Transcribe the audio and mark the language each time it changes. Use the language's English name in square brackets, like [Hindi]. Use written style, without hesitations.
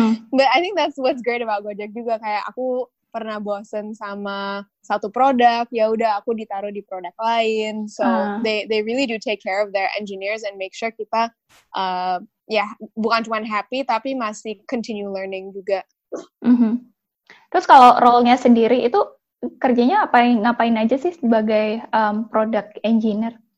[English] But I think that's what's great about Gojek juga. [Indonesian] Kayak aku pernah bosen sama satu produk, ya udah aku ditaruh di produk lain. [English] So they really do take care of their engineers and make sure [Indonesian] kita bukan cuma [English] happy [Indonesian] tapi masih [English] continue learning juga. Mm-hmm. [Indonesian] Terus kalau role-nya sendiri itu kerjanya ngapain aja sih sebagai product engineer?